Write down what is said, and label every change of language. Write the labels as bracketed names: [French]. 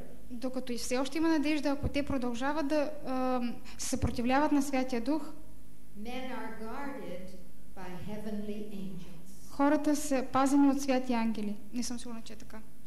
[Bulgarian] Докато и все още има надежда, ако те продължават да се съпротивляват на Святия Дух, [English] men are guarded by heavenly angels. [Bulgarian] Хората са пазени от святи ангели. Не съм сигурна, че е така.